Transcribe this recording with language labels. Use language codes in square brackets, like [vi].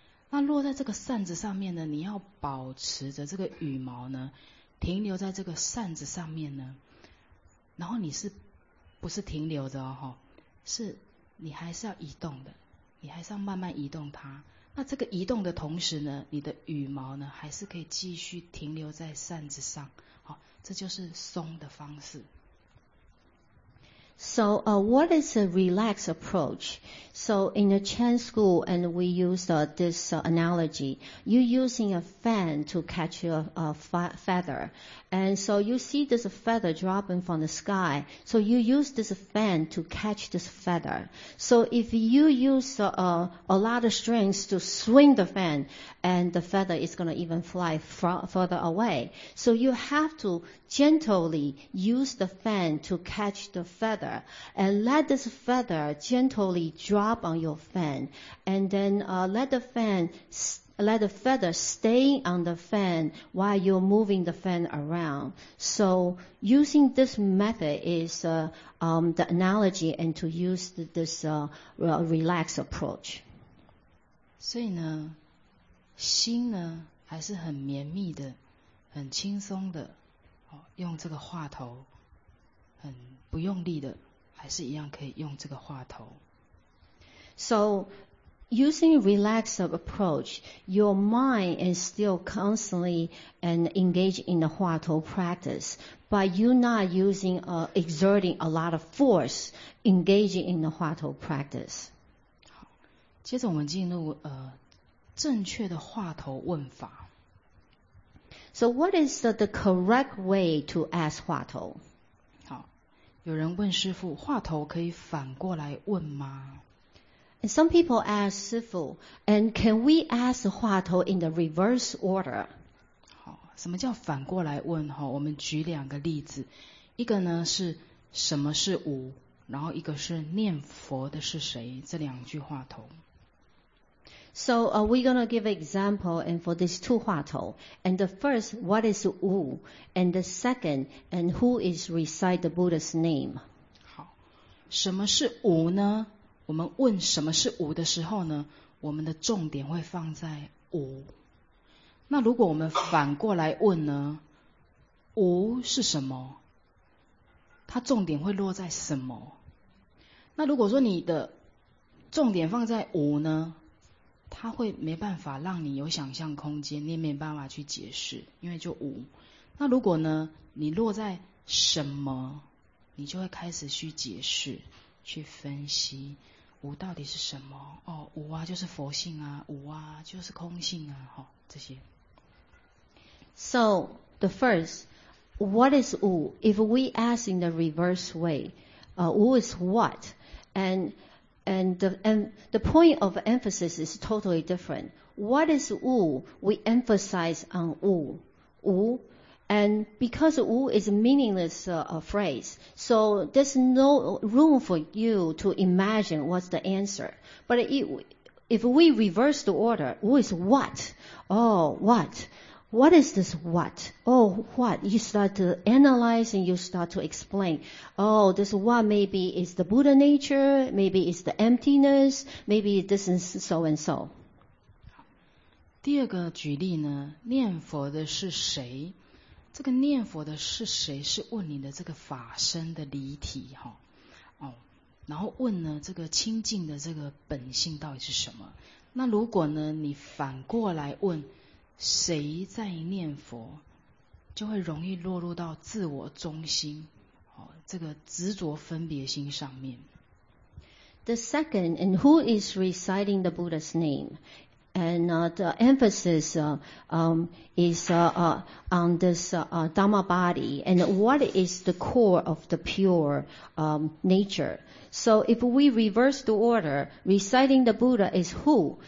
[zh] 那落在这个扇子上面呢，你要保持着这个羽毛呢停留在这个扇子上面呢，然后你是不是停留着哦？是你还是要移动的，你还是要慢慢移动它。那这个移动的同时呢，你的羽毛呢还是可以继续停留在扇子上，好，这就是松的方式。 [en] So, what is a relaxed approach? So, in the Chan school, and we use this analogy, you're using a fan to catch your feather. And so you see this feather dropping from the sky. So you use this fan to catch this feather. So if you use a lot of strength to swing the fan, and the feather is going to even fly further away. So you have to gently use the fan to catch the feather. And let this feather gently drop on your fan, and then let the feather stay on the fan while you're moving the fan around. So using this method is the analogy, and to use this relaxed approach. [zh] 所以呢，心呢还是很绵密的，很轻松的，用这个话头，很不用力的。还是一样可以用这个话头。 [en] So, using relaxed approach, your mind is still constantly and engaged in the 话头 practice, but you're not using exerting a lot of force engaging in the 话头 practice. [zh] 好，接着我们进入正确的话头问法。 [en] So, what is the correct way to ask 话头？ [zh] 有人问师父，话头可以反过来问吗？ [en] And some people ask 师父， and can we ask 话头 in the reverse order? [zh] 好，什么叫反过来问？我们举两个例子，一个呢是什么是无，然后一个是念佛的是谁，这两句话头。 [en] So we're going to give an example, and for these two 话头, and the first, what is wu, and the second, and who is recite the Buddha's name? [zh] 好，什么是wu呢？我们问什么是wu的时候呢，我们的重点会放在wu。那如果我们反过来问呢，wu是什么？它重点会落在什么？那如果说你的重点放在无呢，它会没办法让你有想象空间，你也没办法去解释，因为就无。那如果呢，你落在什么，你就会开始去解释，去分析无到底是什么。哦，无啊就是佛性啊，无啊就是空性啊，好，这些。 [en] So the first, what is 无? If we ask in the reverse way, 无 is what? And the point of emphasis is totally different. What is 无?We emphasize on 无, 无. And because 无 is a meaningless phrase, so there's no room for you to imagine what's the answer. But if we reverse the order, 无 is what? Oh, what? What is this what? Oh, what? You start to analyze and you start to explain. Oh, this what maybe is the Buddha nature, maybe it's the emptiness, maybe this is so and so. [zh] 第二个举例呢，念佛的是谁？这个念佛的是谁？是问你的这个法身的离体，哦，然后问呢，这个清净的这个本性到底是什么？那如果呢，你反过来问谁在念佛，就会容易落入到自我中心，哦，这个执着分别心上面。 [en] The second, and who is reciting the Buddha's name? And the emphasis on this Dhamma body, and what is the core of the pure nature? So if we reverse the order, reciting the Buddha is who.